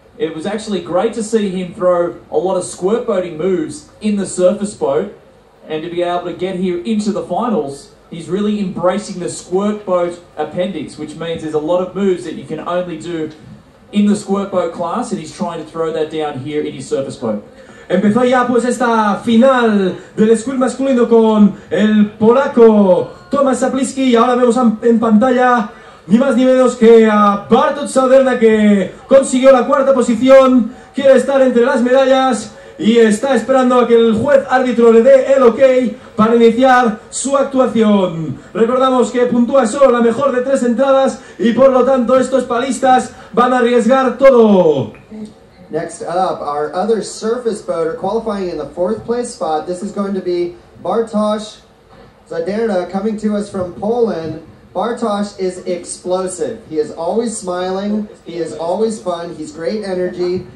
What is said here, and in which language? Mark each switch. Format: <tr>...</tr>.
<en>It was actually great to see him throw a lot of squirt boating moves in the surface boat, and to be able to get here into the finals, he's really embracing the squirt boat appendix, which means there's a lot of moves that you can only do in the squirt boat class, and he's trying to throw that down here in his surface boat.</en> <es>Empezó ya pues esta final del squirt masculino con el polaco Tomasz Chaplicki, y ahora vemos en pantalla ni más ni menos que a Bartosz Czauderna, que consiguió la cuarta posición, quiere estar entre las medallas y está esperando a que el juez árbitro le dé el ok para iniciar su actuación. Recordamos que puntúa solo la mejor de tres entradas y por lo tanto estos palistas van a arriesgar todo.</es> <en>Next up, our other surface boater qualifying in the fourth place spot. This is going to be Bartosz Czauderna coming to us from Poland. Bartosz is explosive. He is always smiling. He is always fun. He's great energy.</en>